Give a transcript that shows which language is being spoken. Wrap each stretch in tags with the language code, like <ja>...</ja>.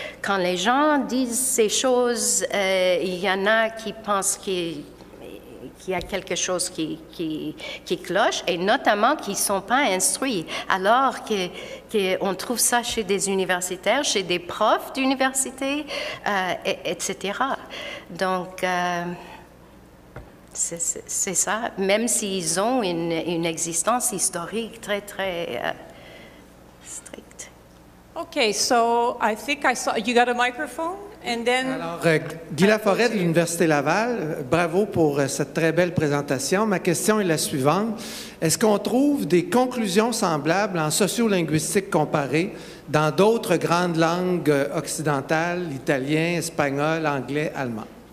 <fr>Quand les gens disent ces choses, il y en a qui pensent qu'il y a quelque chose qui cloche, et notamment qu'ils ne sont pas instruits, alors qu'on trouve ça chez des universitaires, chez des profs d'université, etc. Donc, c'est ça. Même s'ils ont une existence historique très, très stricte.</fr> <en>OK, so I think I saw, you got a microphone? And then,</en> <fr>Guy Laforêt de l'Université Laval, bravo pour cette très belle présentation. Ma question est la suivante. Est-ce qu'on trouve des conclusions semblables en sociolinguistique comparée dans d'autres grandes langues occidentales, italien, espagnol, anglais, allemand?</fr>